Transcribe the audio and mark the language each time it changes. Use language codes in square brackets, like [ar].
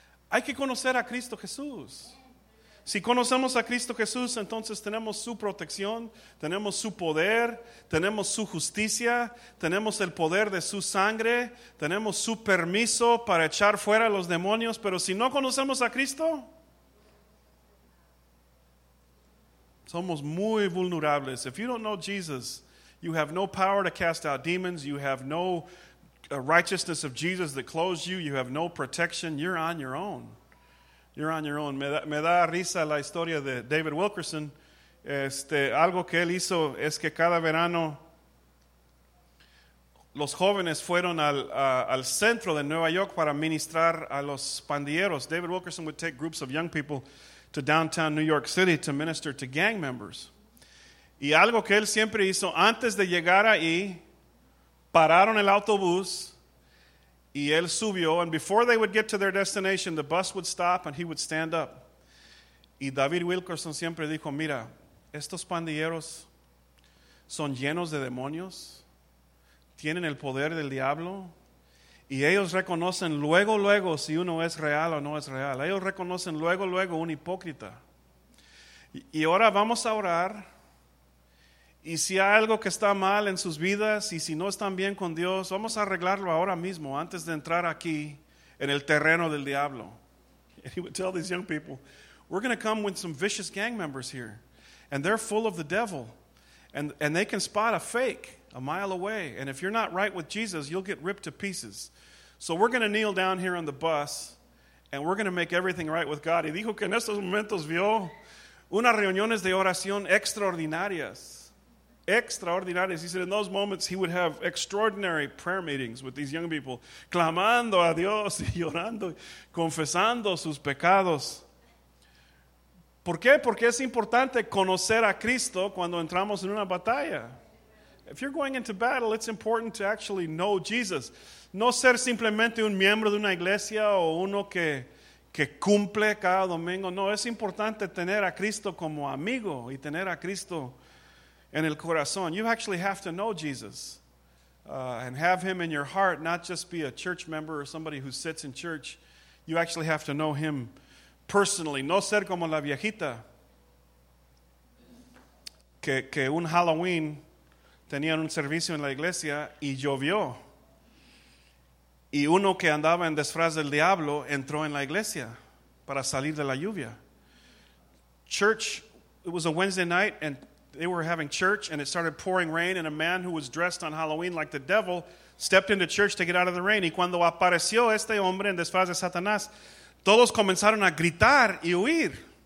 [es] Hay que conocer a Cristo Jesús. Si conocemos a Cristo Jesús, entonces tenemos su protección, tenemos su poder, tenemos su justicia, tenemos el poder de su sangre, tenemos su permiso para echar fuera a los demonios. Pero si no conocemos a Cristo, somos muy vulnerables. [en] If you don't know Jesus, you have no power to cast out demons. You have no righteousness of Jesus that clothes you. You have no protection. You're on your own. You're on your own. [es] Me da risa la historia de David Wilkerson. Algo que él hizo es que cada verano los jóvenes fueron al centro de Nueva York para ministrar a los pandilleros. [en] David Wilkerson would take groups of young people to downtown New York City to minister to gang members. [es] Y algo que él siempre hizo, antes de llegar ahí, pararon el autobús Y él subió, [en] and before they would get to their destination, the bus would stop and he would stand up. [es] Y David Wilkerson siempre dijo, mira, estos pandilleros son llenos de demonios, tienen el poder del diablo, y ellos reconocen luego, luego si uno es real o no es real. Ellos reconocen luego, luego un hipócrita. Y ahora vamos a orar, y si hay algo que está mal en sus vidas y si no están bien con Dios, vamos a arreglarlo ahora mismo antes de entrar aquí en el terreno del diablo. [en] And he would tell these young people, we're going to come with some vicious gang members here, and they're full of the devil, and they can spot a fake a mile away, and if you're not right with Jesus, you'll get ripped to pieces. So we're going to kneel down here on the bus, and we're going to make everything right with God. [es] Y dijo que en estos momentos vio unas reuniones de oración extraordinarias. Extraordinarias. [en] He said in those moments, he would have extraordinary prayer meetings with these young people, [es] clamando a Dios y llorando, confesando sus pecados. ¿Por qué? Porque es importante conocer a Cristo cuando entramos en una batalla. If you're going into battle, it's important to actually know Jesus. No ser simplemente un miembro de una iglesia o uno que cumple cada domingo. No, es importante tener a Cristo como amigo y tener a Cristo en el corazón. [en] You actually have to know Jesus and have him in your heart, not just be a church member or somebody who sits in church. You actually have to know him personally. [es] No ser como la viejita que un Halloween tenían un servicio en la iglesia y llovió. Y uno que andaba en disfraz del diablo entró en la iglesia para salir de la lluvia. [en] Church, it was a Wednesday night and they were having church and it started pouring rain and a man who was dressed on Halloween like the devil stepped into church to get out of the rain. [es] Y cuando apareció este hombre en disfraz de Satanás, todos comenzaron a gritar y huir.